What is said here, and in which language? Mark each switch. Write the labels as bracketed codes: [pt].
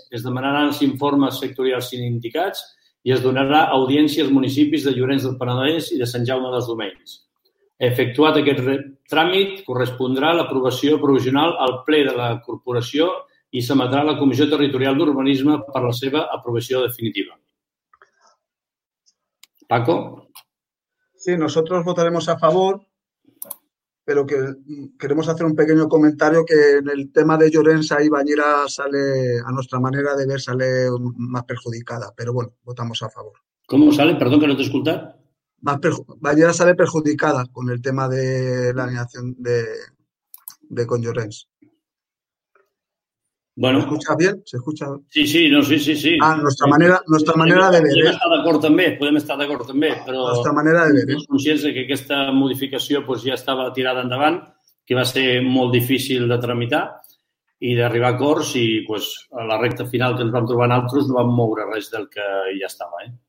[ca] Es demanaran els informes sectorials sindicats i es donarà audiència als municipis de Llorenç del Penedès i de Sant Jaume dels Domenys. Efectuat aquest tràmit, correspondrà l'aprovació provisional al ple de la corporació i s'emetrà a la Comissió Territorial d'Urbanisme per la seva aprovació definitiva. Paco? [es] Sí, nosotros votaremos a favor, pero que queremos hacer un pequeño comentario que en el tema de Llorença y Bañera sale, a nuestra manera de ver, sale más perjudicada. Pero bueno, votamos a favor. ¿Cómo sale? Perdón que no te escuché. Bañera sale perjudicada con el tema de la alineación de con Llorença. Bueno, ¿se escucha bien? ¿Se escucha? Sí. Ah, nuestra manera de ver. [ca] Podem estar d'acord també, però... [es] Nuestra manera de ver. [ca] Som conscients que aquesta modificació pues, ja estava tirada endavant, que va ser molt difícil de tramitar i d'arribar a acords i pues, a la recta final que ens vam trobar en altres no vam moure res del que ja estava.